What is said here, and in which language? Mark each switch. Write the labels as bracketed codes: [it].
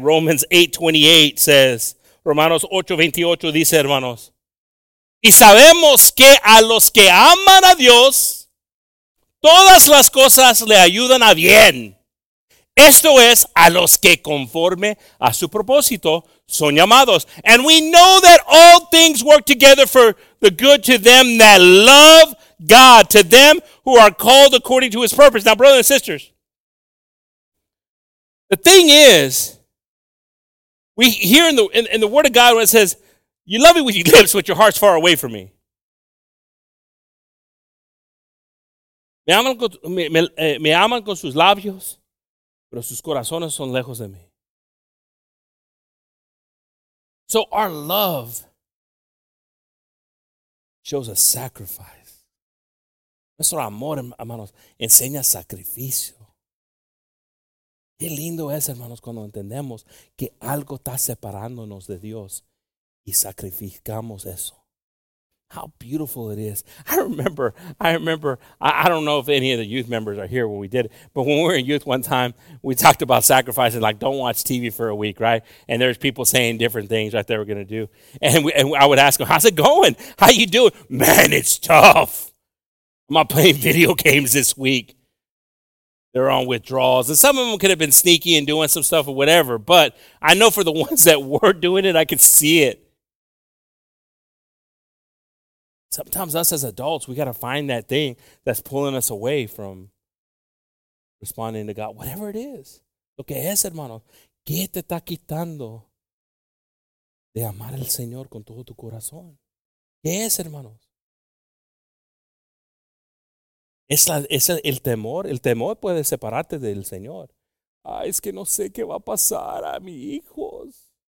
[en] Romans 8:28 says, [es] Romanos 8:28 dice, hermanos, y sabemos que a los que aman a Dios, todas las cosas le ayudan a bien. Esto es, a los que conforme a su propósito son llamados. [en] And we know that all things work together for the good to them that love God, to them who are called according to his purpose. Now, brothers and sisters, the thing is, we hear in the word of God when it says, you love me with your lips, but your heart's far away from me. [es] Me aman con sus labios, pero sus corazones son lejos de mí. [en] So our love shows a sacrifice. [es] Nuestro amor, hermanos, enseña sacrificio. Qué lindo es, hermanos, cuando entendemos que algo está separándonos de Dios y sacrificamos eso. [en] How beautiful it is. I don't know if any of the youth members are here when we did it, but when we were in youth one time, we talked about sacrificing, like don't watch TV for a week, right? And there's people saying different things that they were going to do. And I would ask them, how's it going? How you doing? Man, it's tough. I'm not playing video games this week. They're on withdrawals. And some of them could have been sneaky and doing some stuff or whatever. But I know for the ones that were doing it, I could see it. Sometimes us as adults, we got to find that thing that's pulling us away from responding to God. Whatever it is. [es] Lo que es, hermano. ¿Qué te está quitando de amar al Señor con todo tu corazón? ¿Qué es, hermano? Es el temor puede separarte del Señor. Ay, es que no sé qué va a pasar a mis hijos.